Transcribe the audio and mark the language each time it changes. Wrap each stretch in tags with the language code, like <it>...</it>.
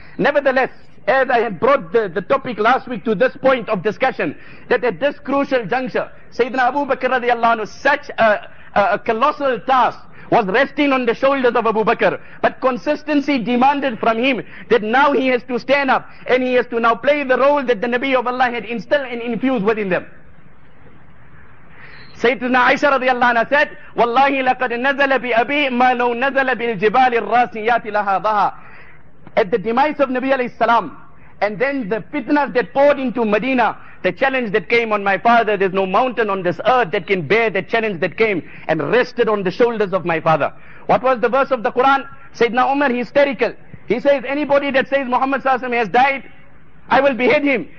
<en>Nevertheless, as I had brought the topic last week to this point of discussion, that at this crucial juncture, Sayyidina Abu Bakr radiallahu anhu, such a colossal task was resting on the shoulders of Abu Bakr. But consistency demanded from him that now he has to stand up and he has to now play the role that the Nabi of Allah had instilled and infused within them. Sayyidina Aisha radiallahu anha said,</en> <ar>وَاللَّهِ لَقَدْ نَزَلَ بِأَبِي مَا لَوْ نَزَلَ بِالْجِبَالِ الرَّاسِيَاتِ لَهَا ضَهَا.</ar> <en>At the demise of Nabi alayhi salam, and then the fitnas that poured into Medina, the challenge that came on my father, there's no mountain on this earth that can bear the challenge that came and rested on the shoulders of my father. What was the verse of the Quran? Sayyidina Umar, hysterical. He says, anybody that says Muhammad sallallahu alayhi wasallam has died, I will behead him.</en>